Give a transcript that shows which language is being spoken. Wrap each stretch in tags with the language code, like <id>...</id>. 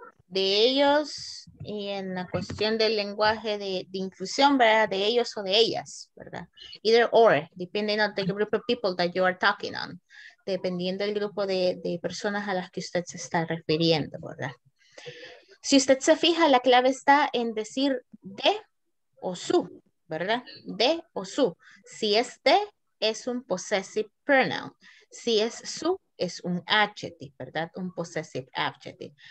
<es>De ellos, y en la cuestión del lenguaje de inclusión, ¿verdad? De ellos o de ellas, ¿verdad?</es> <en>Either or, depending on the group of people that you are talking on.</en> <es>Dependiendo del grupo de personas a las que usted se está refiriendo, ¿verdad? Si usted se fija, la clave está en decir de o su, ¿verdad? De o su. Si es de, es un possessive pronoun. Si es su, es un adjective, ¿verdad? Un possessive adjective.</es>